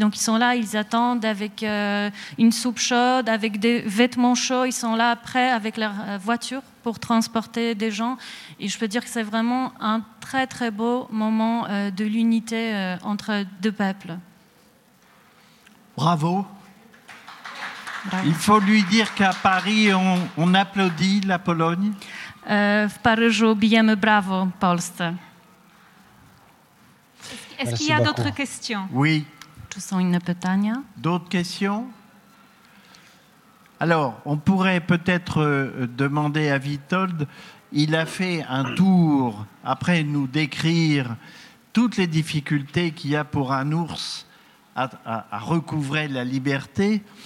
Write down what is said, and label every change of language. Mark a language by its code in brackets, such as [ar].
[fr] Donc ils sont là, ils attendent avec une soupe chaude, avec des vêtements chauds. Ils sont là prêts avec leur voiture pour transporter des gens. Et je peux dire que c'est vraiment un très, très beau moment de l'unité entre deux peuples. Bravo. Il faut lui dire qu'à Paris, on applaudit la Pologne. [pl] W Paryżu bijemy brawo Polsce. [fr] Est-ce qu'il y a d'autres questions? Oui. Tu sens une pytania? D'autres questions? Alors, on pourrait peut-être demander à Witold. Il a fait un tour, après nous décrire toutes les difficultés qu'il y a pour un ours à recouvrer la liberté.